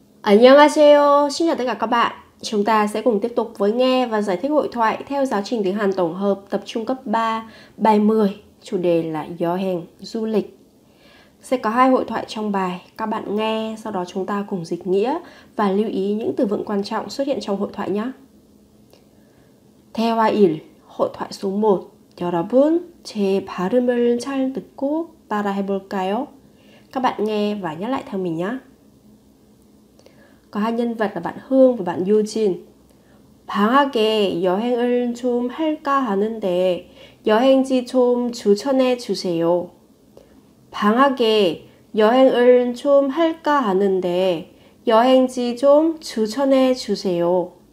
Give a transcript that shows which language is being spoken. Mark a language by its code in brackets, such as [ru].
[vi] Annyeonghaseyo, xin chào tất cả các bạn. Chúng ta sẽ cùng tiếp tục với nghe và giải thích hội thoại theo giáo trình tiếng Hàn tổng hợp tập trung cấp 3, bài 10, chủ đề là Yeoheng, du lịch. Sẽ có hai hội thoại trong bài, các bạn nghe, sau đó chúng ta cùng dịch nghĩa và lưu ý những từ vựng quan trọng xuất hiện trong hội thoại nhé. Thewa il, hội thoại số 1. [ko] 여러분, 제 발음을 잘 듣고 따라해볼까요? [vi] Các bạn nghe và nhắc lại theo mình nhé. Có hai nhân vật là bạn Hương và bạn Yujin. [ko] 방학에 여행을 좀 할까 하는데 여행지 좀 추천해 주세요. 방학에 여행을 좀 할까 하는데 여행지 좀 추천해 주세요.